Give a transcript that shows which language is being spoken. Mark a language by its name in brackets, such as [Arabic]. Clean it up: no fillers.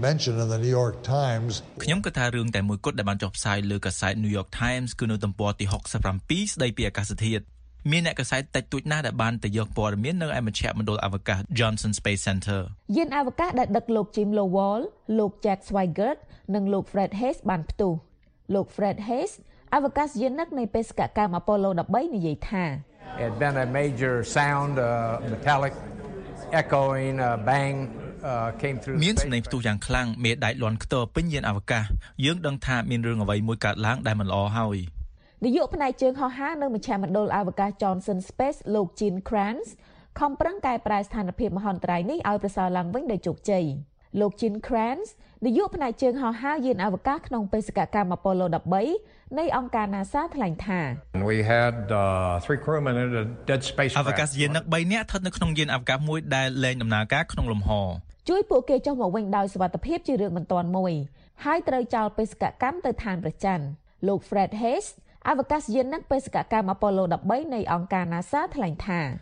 [English] mention in the New York Times [Khmer] ខ្ញុំគិតថារឿងតែមួយគត់ដែលបានចុះផ្សាយលើកាសែត New York Times គឺនៅទំព័រទី67ស្ដីពីអាកាសធាតុមានអ្នកកាសែតតិចតួចណាស់ដែលបានទៅយកព័ត៌មាននៅឯមជ្ឈមណ្ឌលអវកាស Johnson Space Center យានអវកាសដែលដឹកលោក Jim Lowell លោក Jack Swigert និងលោក Fred Hess បានផ្ទុះលោក Fred Hess អវកាសយានិកនៃបេសកកម្ម Apollo 13និយាយថា [English] It been a major sound metallic echoing bangcame through [Khmer] មានសំឡេងផ្ទុះយ៉ាងខ្លាំងមេដែកលាន់ខ្ទរពេញយានអវកាសយើងដឹងថាមានរឿងអ្វីមួយកើតឡើងដែលមិនល្អហើយ នាយកផ្នែកជើងហោះហើរនៅមជ្ឈមណ្ឌលអវកាស Johnson Space លោក Gene Kranz ខំប្រឹងកែប្រែស្ថានភាពមហន្តរាយនេះឲ្យប្រសើរឡើងវិញដោយជោគជ័យលោក Gene Kranz នាយកផ្នែកជើងហោះហើរយានអវកាសក្នុងបេសកកម្ម Apollo 13នៃអង្គការ NASA ថ្លែងថា [English] We had 3 crewmen in a dead spacecraft [Khmer] អវកាសយានិក3នាក់ស្ថិតនៅក្នុងយានអវកាសមួយដែលលែងដំណើរការក្នុងលំហ ជួយពួកគេចុះមកវិញដោយសុវត្ថិភាពជារឿងមិនទាន់មួយហើយត្រូវចោលបេសកកម្មទៅឋានព្រះច័ន្ទលោក Fred Hess អវកាសយានិកបេសកកម្ម Apollo 13នៃអង្គការ NASA ថ្លែងថា